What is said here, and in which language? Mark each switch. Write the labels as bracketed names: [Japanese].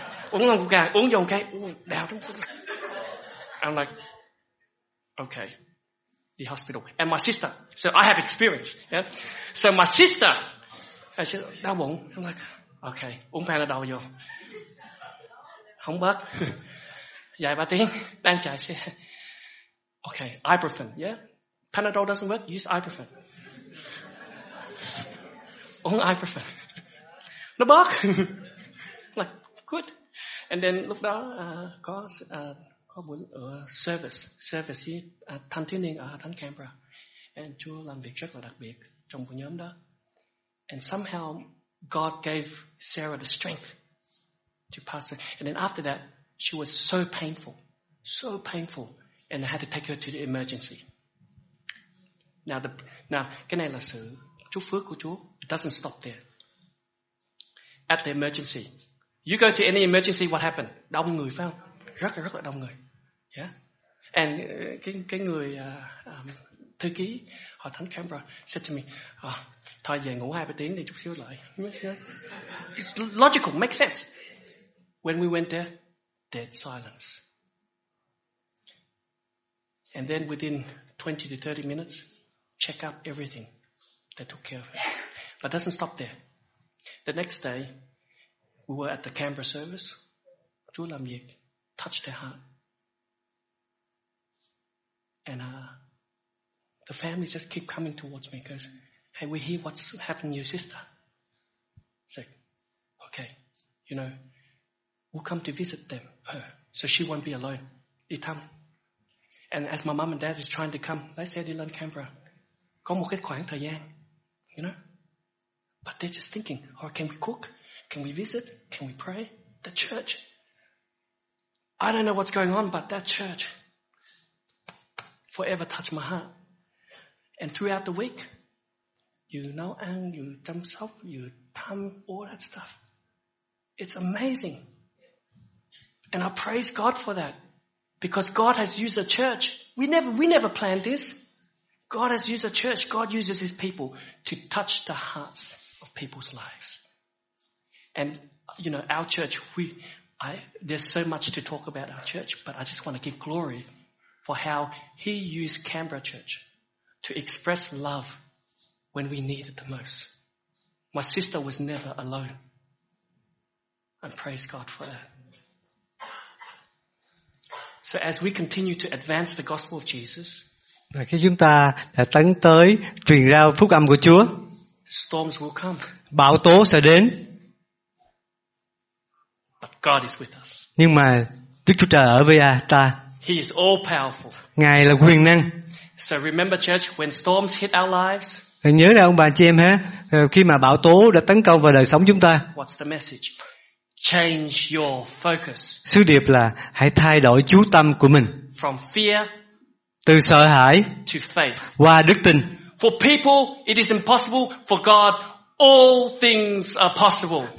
[Vietnamese] Uống lon Coca, uống vô cái đau trong. [English] I'm like, okay. The hospital and my sister, so I have experience. Yeah, so my sister, I said, [Vietnamese] đau bụng. [English] I'm like, okay, [Vietnamese] uống Panadol vô, không bớt, dài 3 tiếng, đang chạy xe. [English] Okay, ibuprofen. Yeah, Panadol doesn't work. Use ibuprofen. [Vietnamese] Uống ibuprofen, nó bớt. [English] Like, good. And then [Vietnamese] lúc đó có buổi service thanh thiếu niên ở thánh Canberra, [English] and [Vietnamese] Chúa làm việc rất là đặc biệt trong buổi nhóm đó, [English] and somehow God gave Sarah the strength to pass it, and then after that she was so painful and I had to take her to the emergency. Now [Vietnamese] cái này là sự chúc phước của Chúa. [English] It doesn't stop there. At the emergency, you go to any emergency, what happened? [Vietnamese] Đông người phải không? Rất là đông người. [English] Yeah, and [Vietnamese] cái người thư ký họ thánh Canberra [English] said to me, [Vietnamese] thôi về ngủ 2-3 tiếng đi chút xíu lại. [English] It's logical, makes sense. When we went there, dead silence. And then within 20 to 30 minutes, check up everything. They took care of it. But it doesn't stop there. The next day, we were at the Canberra service. [Vietnamese] Chúa làm việc, [English] touch their heart. And the family just keep coming towards me, goes, hey, we hear what's happened to your sister. It's like, okay, you know, we'll come to visit them, her, so she won't be alone. [Vietnamese] Đi thăm. [English] And as my mom and dad is trying to come, let's say they learn Canberra. [Vietnamese] Có một cái khoảng thời gian, [English] you know. But they're just thinking, oh, can we cook? Can we visit? Can we pray? The church. I don't know what's going on, but that church forever touch my heart. And throughout the week, you [Vietnamese] nấu ăn, [English] you [Vietnamese] chăm sóc, [English] you [Vietnamese] thăm, [English] all that stuff. It's amazing. And I praise God for that. Because God has used a church. We never planned this. God has used a church. God uses his people to touch the hearts of people's lives. And, you know, our church, there's so much to talk about our church, but I just want to give glory for how he used Canberra Church to express love when we need it the most. My sister was never alone. And praise God for that. So as we continue to advance the gospel of Jesus, [Vietnamese] và khi chúng ta đã tấn tới truyền rao phúc âm của Chúa, [English] storms will come. [Vietnamese] Bão tố sẽ đến. [English] But God is with us. [Vietnamese] Nhưng mà Đức Chúa Trời ở với ta. [English] He is all powerful. [Vietnamese] Ngài là quyền năng. [English] So remember, church, when storms hit our lives, [Vietnamese] nhớ ra ông bà chị em ha, khi mà bão tố đã tấn công vào đời sống chúng ta, [English] what's the message? Change your focus. [Vietnamese] Sứ điệp là hãy thay đổi chú tâm của mình. [English] From fear, [Vietnamese] từ sợ hãi, [English] to faith, [Vietnamese] qua đức tin. [English] For people, it is impossible. For God, all things are possible.